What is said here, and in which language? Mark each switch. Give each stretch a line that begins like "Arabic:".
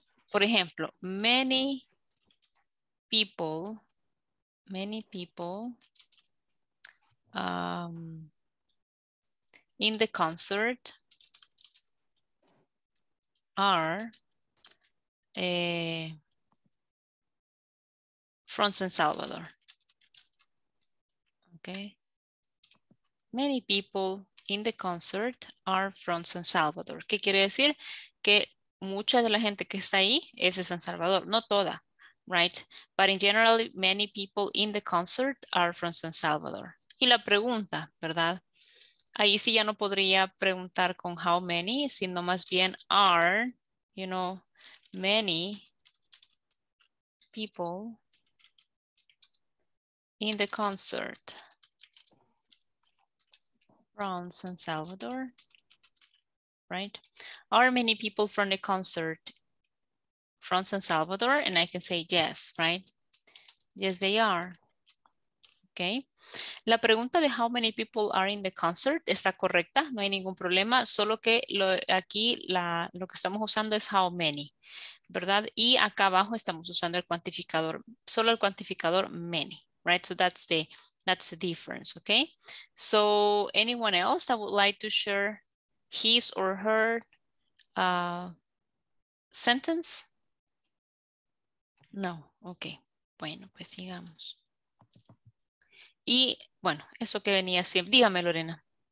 Spanish: Por ejemplo,
English: many people in the concert are from San Salvador. Okay. Many people in the concert are from San Salvador.
Spanish: ¿Qué quiere decir? Que mucha de la gente que está ahí es de San Salvador, no toda, right?
English: But in general, many people in the concert are from San Salvador.
Spanish: Y la pregunta, ¿verdad? Ahí sí ya no podría preguntar con
English: how many,
Spanish: sino más bien
English: are, you know, many people in the concert from San Salvador. Right? Are many people from the concert from San Salvador? And I can say yes, right? Yes, they are. Okay.
Spanish: La pregunta de
English: how many people are in the concert
Spanish: está correcta, no hay ningún problema, solo que lo que estamos usando es
English: how many,
Spanish: ¿verdad? Y acá abajo estamos usando el cuantificador, solo el cuantificador
English: many,
Spanish: right?
English: So that's the difference, okay? So anyone else that would like to share his or her sentence?
Spanish: No, okay. Bueno, pues sigamos. Y bueno, eso que venía siempre. Dígame, Lorena.